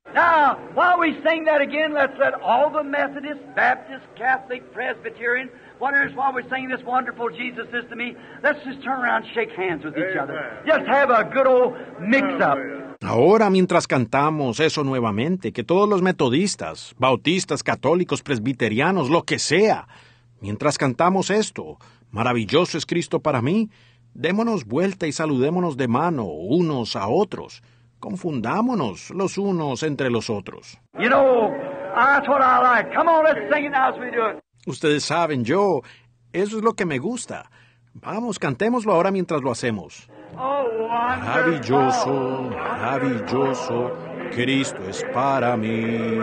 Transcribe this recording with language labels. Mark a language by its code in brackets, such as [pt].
[en] Now, while we sing that again, let's let all the Methodists, Baptists, Catholic, Presbyterian, whatever, while we sing this wonderful Jesus is to me, let's just turn around and shake hands with each other. Just have a good old mix-up. [es] Ahora, mientras cantamos eso nuevamente, que todos los metodistas, bautistas, católicos, presbiterianos, lo que sea, mientras cantamos esto, maravilloso es Cristo para mí, démonos vuelta y saludémonos de mano unos a otros. Confundámonos los unos entre los otros. [en] You know, that's what I like. Come on, let's sing it now as we do it. [es] Ustedes saben, yo, eso es lo que me gusta. Vamos, cantémoslo ahora mientras lo hacemos. Oh, maravilloso, maravilloso, Cristo es para mí.